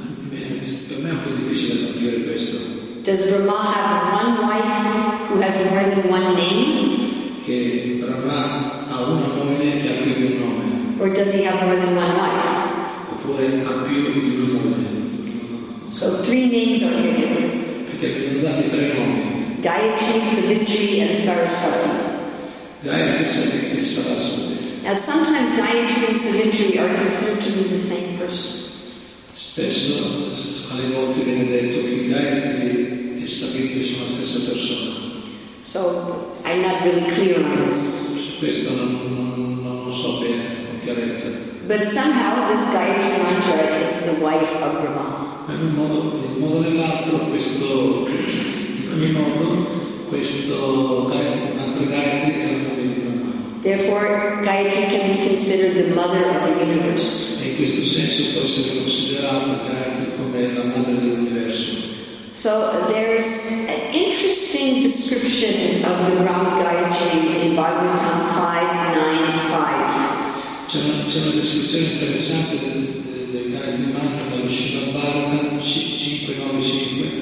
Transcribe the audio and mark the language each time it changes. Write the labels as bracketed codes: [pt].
[it] Per me è un po' difficile capire questo. [en] Does Brahma have one wife who has more than one name? [it] Che Brahma ha una moglie che ha più di un nome. [en] Or does he have more than one wife? [it] Oppure ha più di una moglie. [en] So three names are given. [it] Perché abbiamo dato tre nomi. [en] Gayatri, Savitri and Saraswati. [it] Gayatri, Savitri e Saraswati. [en] Now sometimes Gayatri and Savitri are considered to be the same person. [it] Spesso, alle volte viene detto che Gayatri e Savitri sono la stessa persona. [en] So, I'm not really clear on this. [it] Su questo non so bene, con chiarezza. [en] But somehow this Gayatri Mantra is the wife of Brahma. [it] In un modo nell'altro, questo, in ogni modo, questo mantra Gayatri è la moglie di Brahma. [en] Therefore, Gayatri can be considered the mother of the universe. [it] E in questo senso può essere considerato Gayatri come la madre dell'universo. [en] So there's an interesting description of the Brahma Gayatri in Bhagavatam 5.9.5. [it] C'è una descrizione interessante del Gayatri Mantra nello Srimad Bhagavatam 5.9.5.